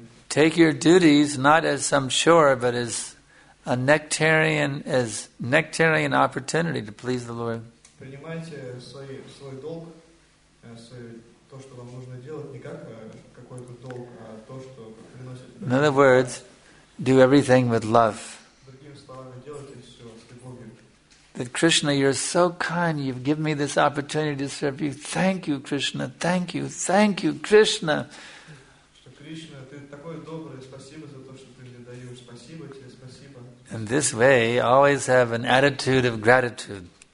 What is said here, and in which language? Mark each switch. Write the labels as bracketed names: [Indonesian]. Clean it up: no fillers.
[English] Take your duties not as some chore, but as a nectarian opportunity to please the Lord. [Russian] Принимайте свой долг, то, что вам нужно делать, не как какой-то долг, а то, что приносит. [English] In other words, do everything with love. [Russian] Другими словами, делайте все с любовью. [English] That Krishna, you're so kind, you've given me this opportunity to serve you. Thank you, Krishna. Thank you. Thank you, Krishna. [Russian] Что Кришна, ты такой добрый, спасибо за то, что ты мне даешь. Спасибо тебе. [English] In this way, always have an attitude of gratitude.